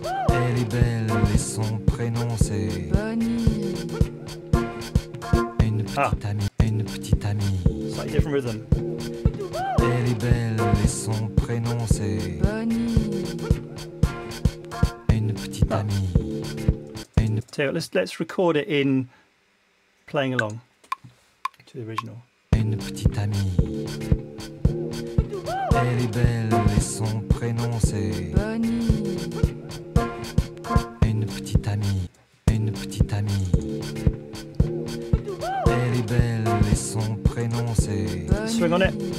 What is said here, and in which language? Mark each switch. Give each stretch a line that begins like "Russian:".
French: Elle est belle et son prénom c'est Bonnie. Une petite amie, une petite amie.
English: Slightly different rhythm.
French: Elle est belle et son prénom c'est Bonnie. Une petite amie. Une...
English: So, let's record it in playing along to the original.
French: Une petite amie. Elle est belle et son prénom c'est Bonnie. Une petite amie. Une petite amie. Elle est belle et son prénom c'est Bonnie.
English: Swing on it.